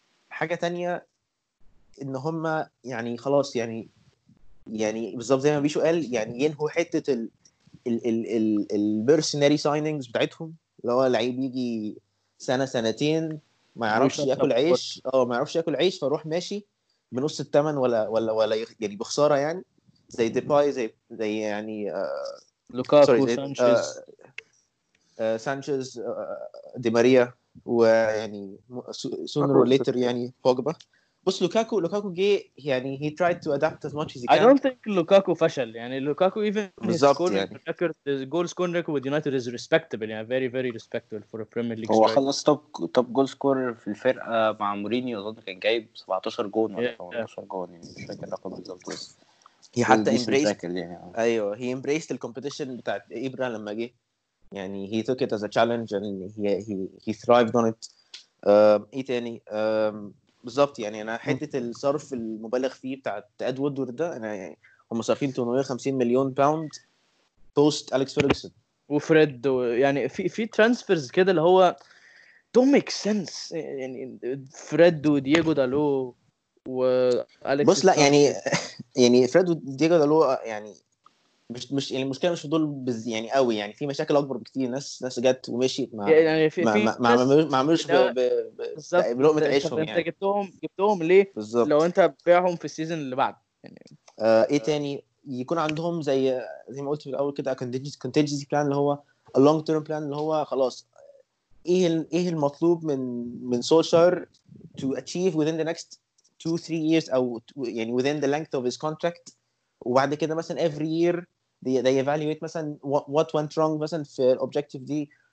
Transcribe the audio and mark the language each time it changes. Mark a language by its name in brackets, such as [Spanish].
[Arabic] حاجة تانية إن هما يعني خلاص يعني يعني بالضبط زي ما بيشو قال يعني ينهوا حتة البيرسوناري ساينينجز بتاعتهم, اللي هو العيب يجي سنة سنتين ما يعرفش يأكل عيش, أو ما يعرفش يأكل عيش فروح ماشي بنص التمن ولا ولا ولا يعني بخسارة يعني زي ديباي زي يعني لوكاكو سانشيز سانشيز دي ماريا ويعني سونر أو ليتر يعني بوجبا. بس لوكاكو جي يعني [English] he tried to adapt as much as he can. I don't think [Arabic] لوكاكو فشل يعني لوكاكو [English] even his goal record, his goal scoring record with United is respectable [Arabic] يعني very [English] very respectable for a Premier League. [Arabic] هو خلص [English] top goal scorer [Arabic] في الفرقة مع مورينيو أظن كان جايب 17 جون ولا 18 جون يعني مش فاكر الرقم بالضبط. هي حتى [English] embraced [Arabic] يعني. أيوة [English] he embraced the competition [Arabic] بتاعت إبرا لما جي يعني [English] he took it as a challenge and he thrived on it. [Arabic] إيه تاني بالظبط يعني انا حته الصرف المبالغ فيه بتاعت ادوارد ده انا يعني هم صارفين 250 مليون باوند بوست اليكس فيرجسون وفريد يعني في ترانسفيرز كده اللي هو دو ميك سنس يعني فريد ودييجو دالو واليكس بص لا يعني فريد ودييجو دالو يعني مش يعني المشكله مش دول بز يعني قوي يعني في مشاكل اكبر بكتير ناس جت ومشيت مع يعني في ما عملوش بلقمه عيشهم يعني انت جبتهم ليه بالزبط. لو انت بيعهم في السيزون اللي بعد يعني ايه تاني يكون عندهم زي ما قلت في الاول كده [English] contingency plan [Arabic] اللي هو [English] long term plan [Arabic] اللي هو خلاص ايه المطلوب من سولشاير [English] to achieve within the next 2 3 years [Arabic] او يعني [English] within the length of his contract [Arabic] وبعد كده مثلا [English] every year they evaluate [Arabic] مثلا [English] what went wrong [Arabic] مثلا في objective دي